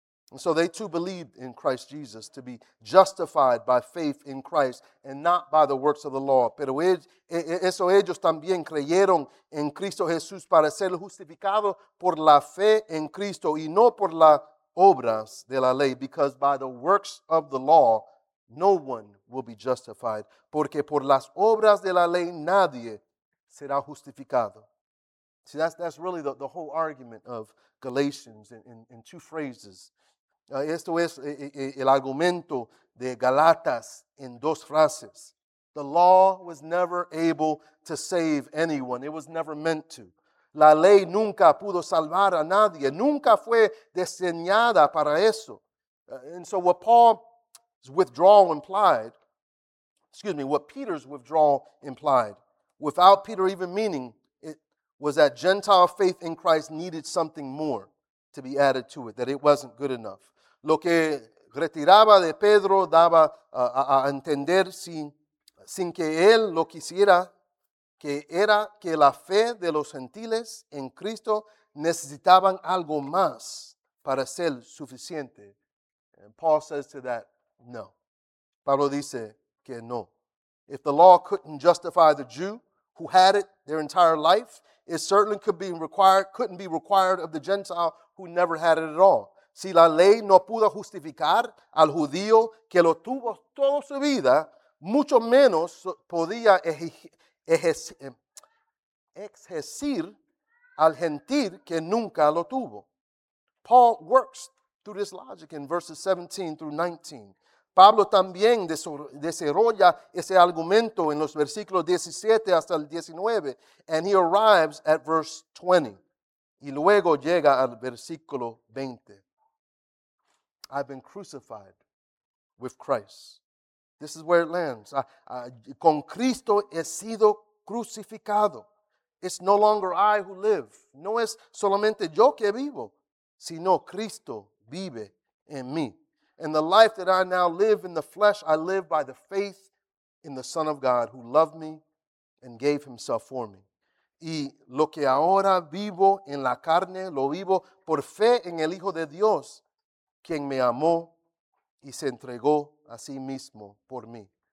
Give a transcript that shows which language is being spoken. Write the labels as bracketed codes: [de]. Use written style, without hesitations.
[en] And so they too believed in Christ Jesus to be justified by faith in Christ and not by the works of the law. [es] Pero ellos también creyeron en Cristo Jesús para ser justificados por la fe en Cristo y no por las obras de la ley, [en] because by the works of the law, no one will be justified. [es] Porque por las obras de la ley, nadie será justificado. [en] See, that's really the whole argument of Galatians in two phrases. [es] Esto es el argumento de Galatas en dos frases. [en] The law was never able to save anyone. It was never meant to. [es] La ley nunca pudo salvar a nadie. Nunca fue diseñada para eso. [en] And so what Paul's withdrawal implied, excuse me, what Peter's withdrawal implied, without Peter even meaning it, was that Gentile faith in Christ needed something more to be added to it, that it wasn't good enough. [es] Lo que retiraba de Pedro daba a entender sin que él lo quisiera, que era que la fe de los gentiles en Cristo necesitaban algo más para ser suficiente. [en] And Paul says to that, no. [es] Pablo dice que no. [en] If the law couldn't justify the Jew who had it their entire life, it certainly couldn't be required of the Gentile who never had it at all. [es] Si la ley no pudo justificar al judío que lo tuvo toda su vida, mucho menos podía exigir al gentil que nunca lo tuvo. [en] Paul works through this logic in verses 17 through 19. [es] Pablo también desarrolla ese argumento en los versículos 17 hasta el 19, [en] and he arrives at verse 20, [es] y luego llega al versículo 20. [en] I've been crucified with Christ. This is where it lands. [es] Con Cristo he sido crucificado. [en] It's no longer I who live. [es] No es solamente yo que vivo, sino Cristo vive en mí. [en] And the life that I now live in the flesh, I live by the faith in the Son of God who loved me and gave himself for me. [es] Y lo que ahora vivo en la carne, lo vivo por fe en el Hijo de Dios, quien me amó y se entregó a sí mismo por mí.